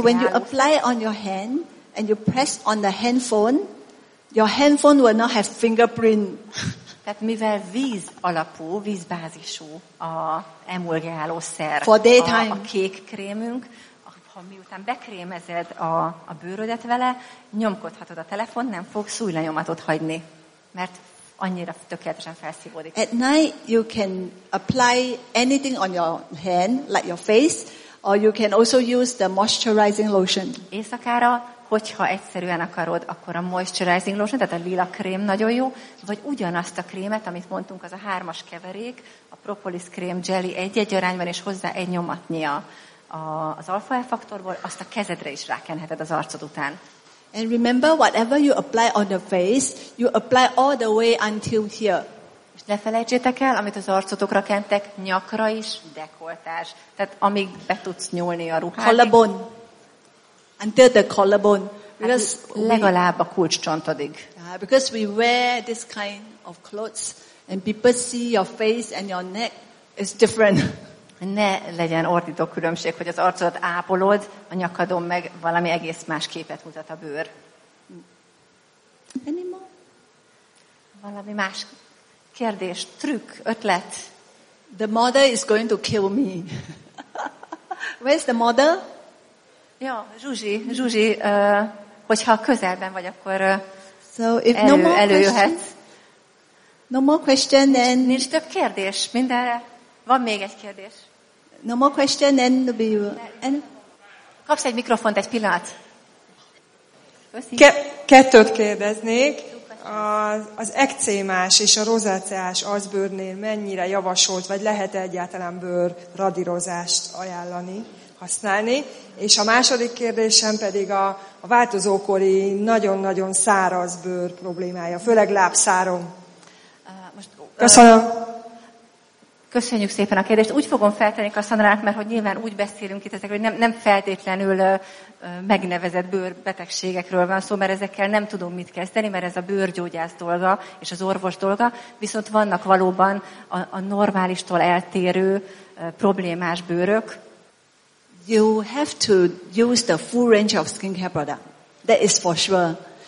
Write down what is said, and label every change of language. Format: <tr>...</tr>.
<en>when you apply on your hand and you press on the handphone, your handphone will not have fingerprint.</en> <hu>Tehát mivel víz alapú, vízbázisú a emulgálószer, a kék krémünk, ha miután bekrémezed a bőrödet vele, nyomkodhatod a telefon, nem fog szújlenyomatot hagyni, mert annyira tökéletesen felszívódik.</hu> <en>At night you can apply anything on your hand, like your face, or you can also use the moisturizing lotion.</en> <hu>Éjszakára, hogyha egyszerűen akarod, akkor a moisturizing lotion, tehát a lila krém nagyon jó, vagy ugyanazt a krémet, amit mondtunk, az a hármas keverék, a propolis krém jelly egy-egy arányban, és hozzá egy nyomatnyi az alfa E-faktorból, azt a kezedre is rákenheted az arcod után.</hu> <en>And remember, whatever you apply on the face, you apply all the way until here.</en> <hu>És ne felejtsétek el, amit az arcotokra kentek, nyakra is dekoltás. Tehát amíg be tudsz nyúlni a ruhát.</hu> <en>Collarbone. Until the collarbone. Because</en> <hu>legalább a kulcscsontodig.</hu> <en>Because we wear this kind of clothes and people see your face and your neck is different.</en> <hu>Ne legyen ordító különbség, hogy az arcodat ápolod, a nyakadon meg valami egész más képet mutat a bőr. Valami más kérdés, trükk, ötlet.</hu> <en>The mother is going to kill me. Where's the mother?</en> <hu>Ja, Zsuzsi, hogyha közelben vagy, akkor előjöhet.</hu> <en>No more question, then.</en> <hu>Nincs több kérdés mindenre. Van még egy kérdés.</hu> <en>No more question, then be you.</en> <hu>Kapsz egy mikrofont, egy pillanat. Kettőt kérdeznék. Az ekcémás és a rozáceás arcbőrnél mennyire javasolt, vagy lehet egyáltalán bőr radírozást ajánlani, használni? És a második kérdésem pedig a változókori nagyon-nagyon száraz bőr problémája, főleg lábszárom. Köszönöm. Köszönjük szépen a kérdést. Úgy fogom feltenni Kasszandrának, mert hogy nyilván úgy beszélünk itt ezekről, hogy nem feltétlenül megnevezett bőrbetegségekről van szó, mert ezekkel nem tudom mit kezdeni, mert ez a bőrgyógyász dolga és az orvos dolga. Viszont vannak valóban a normálistól eltérő problémás bőrök.</hu> <en>You have to use the full range of skincare product. That is for sure.</en>